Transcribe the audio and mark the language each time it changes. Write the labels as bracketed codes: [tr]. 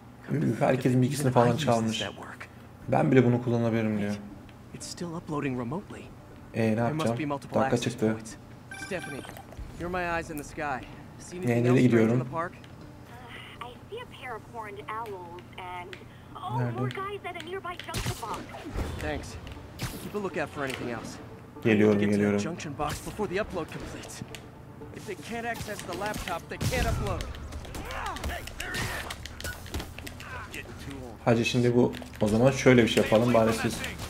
[tr] Üf, herkesin bilgisini falan çalmış. Ben bile bunu kullanabilirim diyor. [en] It's still uploading remotely. [tr] Ne yapacağım? Dakika çıktı. [en] Stephanie, you're my eyes in the sky. [tr] Nereye gidiyorum? [en] I see a pair of horned owls and oh, more guys at a nearby junction box. Thanks. Keep a lookout for anything else. [tr] Geliyorum, geliyorum. [en] Junction box before the upload completes. If they can't access the laptop, they can't upload. [tr] Hadi şimdi bu, o zaman şöyle bir şey yapalım bari siz.